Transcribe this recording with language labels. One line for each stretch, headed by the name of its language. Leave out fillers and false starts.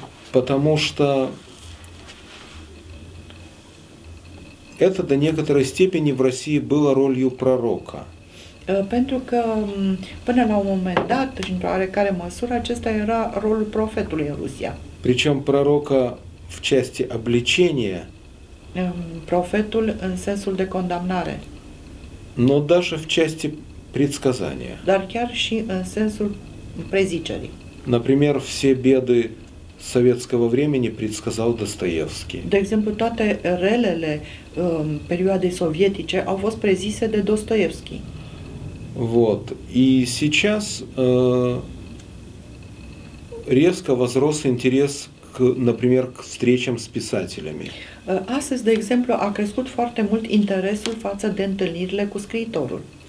Russian: Потому что это до некоторой степени в России было ролью пророка.
Romanian: Pentru că până la un moment dat, și într-o oarecare măsură, acesta era rolul profetului în Rusia.
Russian: Причем пророка в части обличения.
Romanian: Profetul în sensul de condamnare.
Russian: Но даже в части предсказания.
Romanian: Dar chiar și în sensul prezicerii.
Russian: Например, все беды советского времени предсказал Достоевский.
Romanian: De exemplu, toate relele perioadei sovietice au fost prezise de Dostoevski.
Russian: Вот. И сейчас резко возрос интерес к, например, к встречам с писателями.
Romanian: Astăzi, de exemplu, a crescut foarte mult interesul față de întâlnirile cu scriitorul.